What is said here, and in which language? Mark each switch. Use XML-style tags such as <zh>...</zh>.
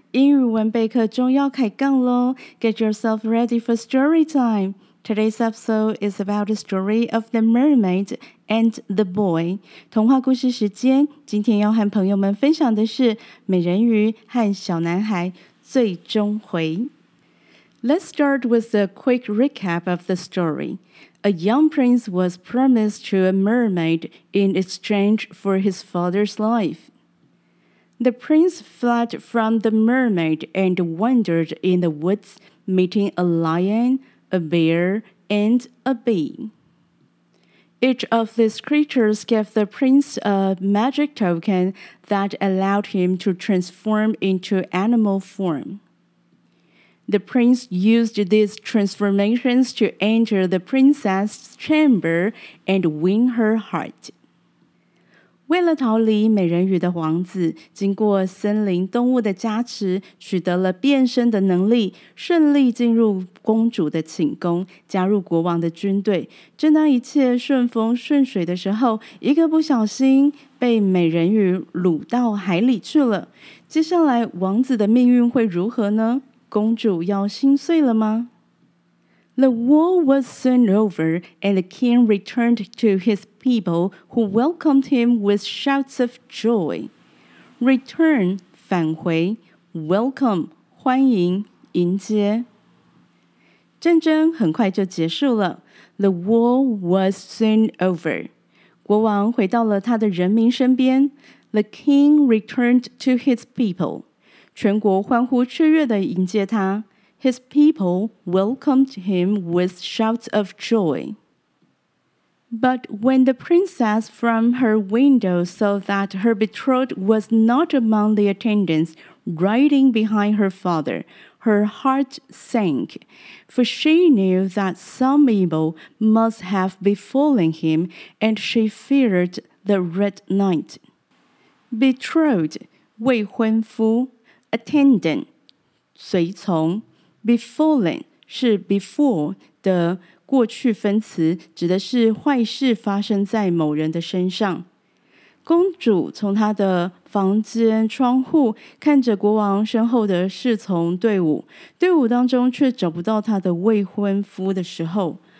<zh>英语文备课终要开杠咯。</zh> <en>Get yourself ready for story time. Today's episode is about the story of the mermaid and the boy.</en> <zh>童话故事时间，今天要和朋友们分享的是美人鱼和小男孩最终回。</zh> <en>Let's start with a quick recap of the story. A young prince was promised to a mermaid in exchange for his father's life. The prince fled from the mermaid and wandered in the woods, meeting a lion, a bear, and a bee. Each of these creatures gave the prince a magic token that allowed him to transform into animal form. The prince used these transformations to enter the princess's chamber and win her heart.</en> <zh>为了逃离美人鱼的王子，经过森林动物的加持，取得了变身的能力，顺利进入公主的寝宫，加入国王的军队。正当一切顺风顺水的时候，一个不小心被美人鱼掳到海里去了。接下来，王子的命运会如何呢？公主要心碎了吗？</zh> <en>The war was soon over, and the king returned to his people, who welcomed him with shouts of joy.</en> <zh>Return, 返回, welcome, 欢迎, 迎接。战争很快就结束了。</zh> <en>The war was soon over.</en> <zh>国王回到了他的人民身边。</zh> <en>The king returned to his people.</en> <zh>全国欢呼雀跃地迎接他。</zh> <en>His people welcomed him with shouts of joy. But when the princess from her window saw that her betrothed was not among the attendants, riding behind her father, her heart sank, for she knew that some evil must have befallen him, and she feared the red knight.</en> <zh>Betrothed, 未婚夫, attendant, 随从。 Befallen 是 before 的过去分词，指的是坏事发生在某人的身上。公主从她的房间窗户看着国王身后的侍从队伍，队伍当中却找不到她的未婚夫的时候</zh>